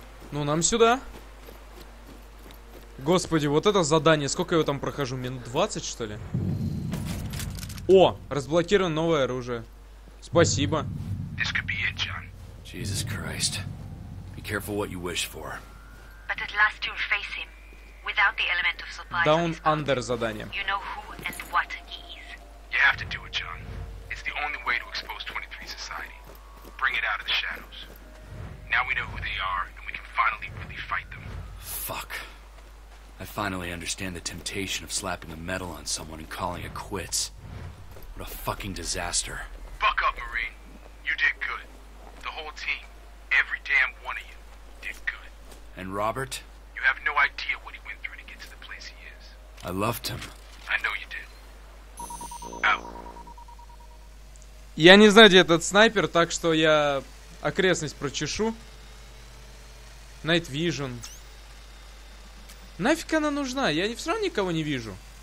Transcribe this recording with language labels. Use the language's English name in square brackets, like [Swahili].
[Russian] Ну, нам сюда. Господи, вот это задание. Сколько я его там прохожу? Минут 20, что ли? О, разблокировано новое оружие. Спасибо. [English] This could be it, John. Jesus Christ. Careful what you wish for. But at last you'll face him without the element of surprise. Down under задание. You know who and what he is. You have to do it, John. It's the only way to expose 23 society. Bring it out of the shadows. Now we know who they are and we can finally really fight them. Fuck. I finally understand the temptation of slapping a medal on someone and calling it quits. What a fucking disaster. Buck up, Marine. You did good. The whole team. Every damn one of you did good. And Robert? You have no idea what he went through to get to the place he is. I loved him. I know you did. Ow. [Russian] Я не знаю, где этот снайпер, так что я окрестность прочешу. Night Vision. Нафиг она нужна? Я все равно никого не вижу.